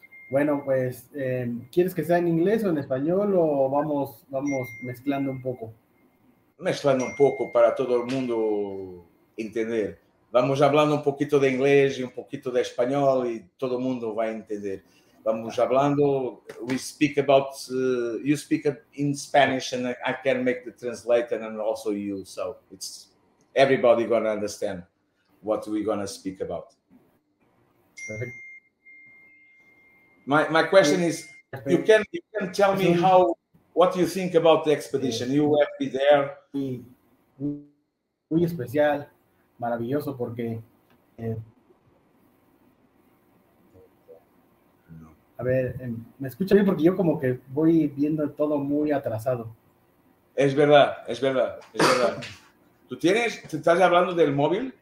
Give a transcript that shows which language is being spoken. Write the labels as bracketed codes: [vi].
[es] Bueno, pues, ¿quieres que sea en inglés o en español o vamos mezclando un poco? Mezclando un poco para todo el mundo entender. Vamos hablando un poquito de inglés y un poquito de español y todo el mundo va a entender. Vamos hablando, [en] we speak about, you speak in Spanish and I can make the translator and also you. So it's everybody going to understand what we're going to speak about. Perfect. My question is, you can tell me what you think about the expedition. You will be there. [es] Muy especial, maravilloso, porque a ver, me escucha bien, porque yo como que voy viendo todo muy atrasado. Es verdad. ¿Te estás hablando del móvil?